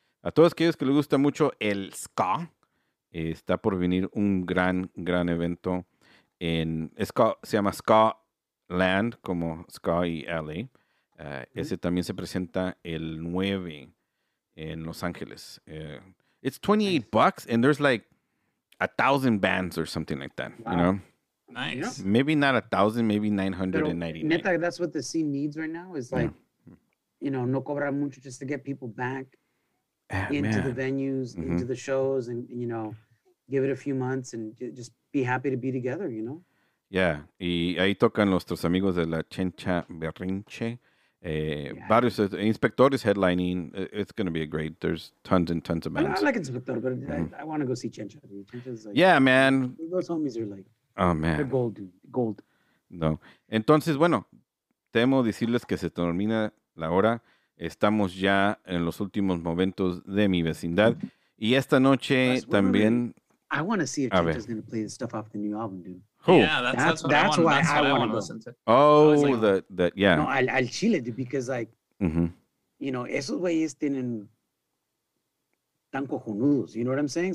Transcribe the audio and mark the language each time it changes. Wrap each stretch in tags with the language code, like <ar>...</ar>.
<es>A todos aquellos que les gusta mucho el ska, está por venir un gran, gran evento. Se llama Ska Land, como Ska y LA. Ese también se presenta el 9 en Los Ángeles.</es> <en>It's 28 bucks and there's like 1,000 bands or something like that. Wow. You know? Nice. Maybe not 1,000, maybe 999. Neta, that's what the scene needs right now. Is like, yeah, you know,</en> <es>no cobra mucho,</es> <en>just to get people back into the venues, mm-hmm, into the shows, and you know, give it a few months and just be happy to be together, you know?</en> <es>Yeah. Y ahí tocan nuestros amigos de la Chencha Berrinche.</es> <en>Varios Inspector is headlining. It's going to be a great. There's tons and tons of bands. I like Inspector, but I want to go see Chencha. Like, yeah, man. Those homies are like, oh man, they're gold, dude. Gold. No.</en> <es>Entonces, bueno, temo decirles que se termina la hora. Estamos ya en los últimos momentos de mi vecindad. Y esta noche también.</es> <en>I want to see if Chencha's going to play the stuff off the new album, dude. Who? Yeah, that's what I want to listen to. Oh, like, the yeah.</en> <es>No, al Chile,</es> <en>because like, mm-hmm, you know,</en> <es>esos güeyes tienen tan cojonudos,</es> <en>you know what I'm saying?</en>